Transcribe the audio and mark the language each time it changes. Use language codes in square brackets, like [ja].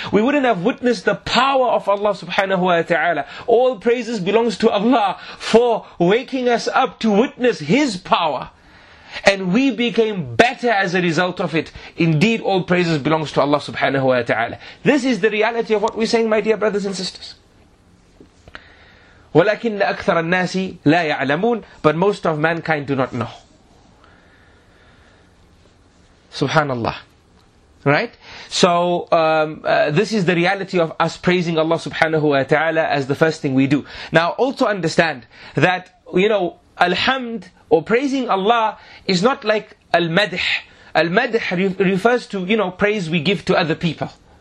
[en] We wouldn't have witnessed the power of Allah subhanahu wa ta'ala. All praises belongs to Allah for waking us up to witness His power. And we became better as a result of it. Indeed, all praises belongs to Allah subhanahu wa ta'ala. This is the reality of what we're saying, my dear brothers and sisters. [ar] ولكن أكثر الناس لا يعلمون, [en] but most of mankind do not know. Subhanallah. Right? So, this is the reality of us praising Allah subhanahu wa ta'ala as the first thing we do. Now, also understand that, you know, alhamd, or praising Allah, is not like al-madh. Al-madh refers to, you know, praise we give to other people.